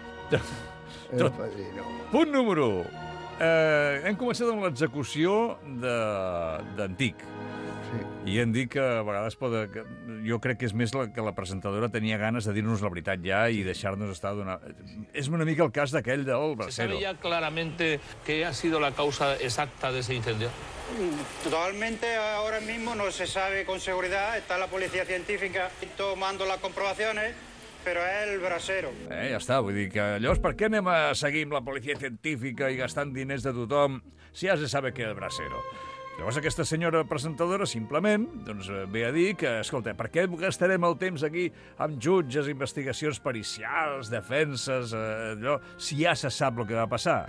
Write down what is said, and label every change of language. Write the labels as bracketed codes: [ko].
[ca] Tot. Padrino. Punt número 1. Hem començat amb l'execució d'Antic. Sí. I hem dit que a vegades jo crec que és més que la presentadora tenia ganes de dir-nos la veritat ja i deixar-nos estar donar... És una mica el cas d'aquell del Bracero. [es] ¿Se sabía claramente qué ha sido la causa exacta de ese incendio? Totalmente, ahora mismo no se sabe con seguridad. Está la policía científica tomando las comprobaciones, [ca] però és el brasero. Ja està, vull dir que llavors per què anem a seguir amb la policia científica i gastant diners de tothom si ja [es] se sabe [ca] que és el brasero? Llavors aquesta senyora presentadora simplement doncs, ve a dir que, escolta, per què gastarem el temps aquí amb jutges, investigacions pericials, defenses, allò, si ja se sap el que va passar?